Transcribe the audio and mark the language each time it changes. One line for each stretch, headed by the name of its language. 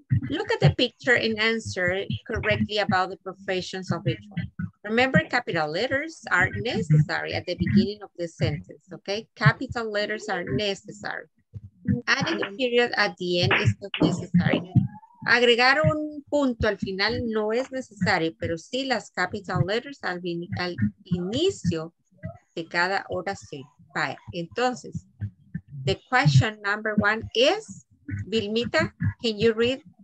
English: Look at the picture and answer correctly about the professions of each one. Remember, capital letters are necessary at the beginning of the sentence, okay? Capital letters are necessary. Adding a period at the end is not necessary.
Spanish: Agregar un punto al final no es necesario, pero sí las capital letters al inicio de cada oración. Vale. Entonces,
English: the question number one is, Vilmita, can you read?